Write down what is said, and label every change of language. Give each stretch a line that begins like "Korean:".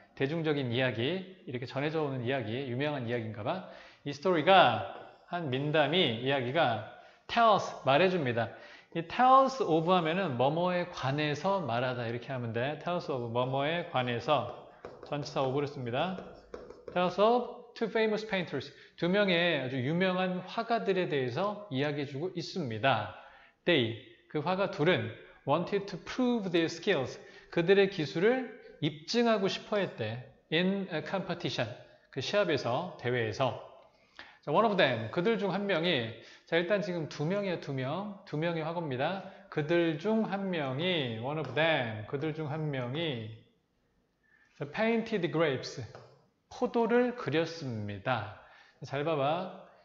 Korean: 대중적인 이야기, 이렇게 전해져 오는 이야기, 유명한 이야기인가 봐. 이 스토리가, 한 민담이, 이야기가 tells, 말해줍니다. 이 tells of 하면은 뭐뭐에 관해서 말하다 이렇게 하면 돼. tells of 뭐뭐에 관해서 전치사 of를 씁니다.
English: tells of two famous painters.
Korean: 두 명의 아주 유명한 화가들에 대해서 이야기해주고 있습니다.
English: They,
Korean: 그 화가 둘은
English: wanted to prove their skills.
Korean: 그들의 기술을 입증하고 싶어 했대.
English: In a competition,
Korean: 그 시합에서, 대회에서.
English: One of them,
Korean: 그들 중한 명이, 자, 일단 지금 두 명이야, 두 명. 두 명이 화겁니다. 그들 중한 명이,
English: one of them,
Korean: 그들 중한 명이,
English: painted grapes,
Korean: 포도를 그렸습니다. 잘 봐봐.